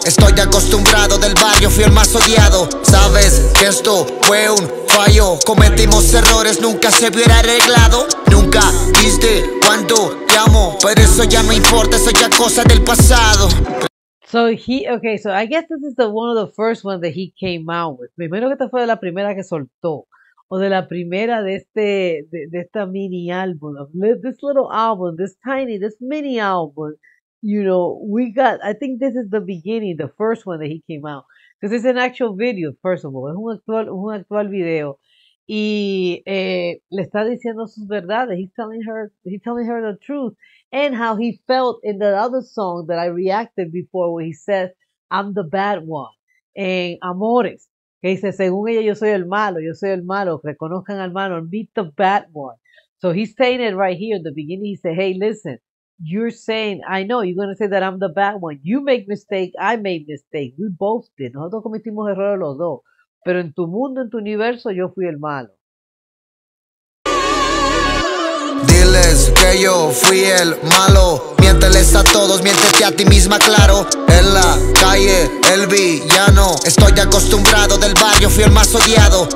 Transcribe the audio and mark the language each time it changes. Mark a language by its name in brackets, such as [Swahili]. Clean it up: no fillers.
[Spanish] Estoy acostumbrado, del barrio fui el más odiado. Sabes que esto fue un fallo. Cometimos errores, nunca se hubiera arreglado. Nunca viste cuánto te amo, pero eso ya no importa, eso ya cosa del pasado. [English] So I guess this is the one of the first ones that he came out with. [Spanish] Primero que esta fue la primera que soltó. O de la primera de este de esta mini álbum, [English] this little album, this mini album, you know, we got, I think this is the beginning, the first one that he came out, because it's an actual video, first of all, [Spanish] es un actual video, y le está diciendo sus verdades, [English] he's telling her the truth, and how he felt in that other song that I reacted before, where he says, I'm the bad one, en Amores. [Spanish] Que dice, según ella, yo soy el malo, reconozcan al malo, [English] meet the bad one. So he's saying it right here in the beginning, he said, hey, listen, you're saying, I know, you're going to say that I'm the bad one. You make mistake, I made mistake, we both did. [Spanish] Nosotros cometimos errores los dos, pero en tu mundo, en tu universo, yo fui el malo. Diles que yo fui el malo, miénteles a todos, miéntete a ti misma, claro. En la calle, el villano, estoy acostumbrado, del barrio fui el más odiado.